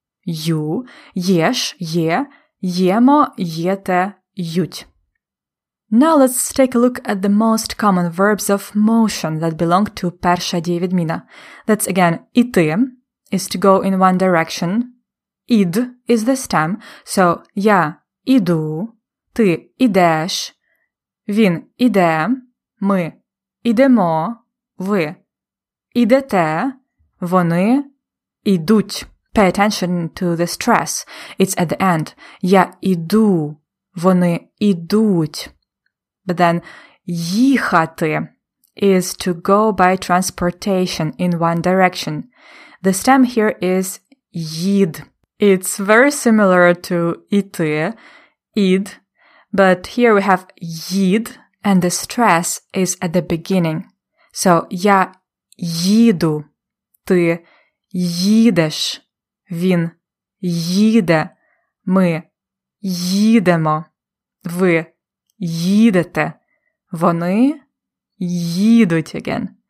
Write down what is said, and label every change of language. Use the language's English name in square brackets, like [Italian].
[Ukrainian] Ю, єш, є, ємо, єте, ють. [English] Now let's take a look at the most common verbs of motion that belong to [Ukrainian] перша дієвідміна. [English] That's again, іти is to go in one direction. Ід is the stem. [Ukrainian] So, я іду, ти ідеш, він іде, ми ідемо, ви ідете, вони ідуть. [English] Pay attention to the stress. It's at the end. [Ukrainian] Я іду. Вони ідуть. [English] But then їхати is to go by transportation in one direction. The stem here is їд. It's very similar to іти, ід, but here we have їд and the stress is at the beginning. [Ukrainian] So я їду, ти їдеш, він їде, ми їдемо, ви їдете, вони їдуть again.